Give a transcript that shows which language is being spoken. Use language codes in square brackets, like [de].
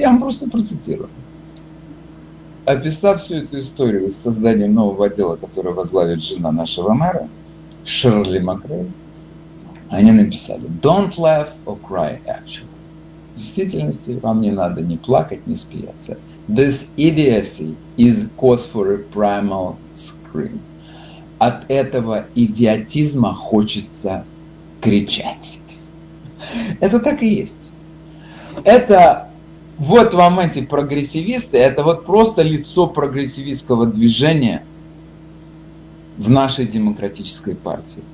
[ru] Я вам просто процитирую. Описав всю эту историю с созданием нового отдела, который возглавит жена нашего мэра, Ширли Макрей, они написали [en] «Don't laugh or cry, actually». [ru] В действительности вам не надо ни плакать, ни смеяться. [en] This idiocy is cause for a primal scream. [ru] От этого идиотизма хочется кричать. Это так и есть. Это вот вам эти прогрессивисты, это вот просто лицо прогрессивистского движения в нашей демократической партии.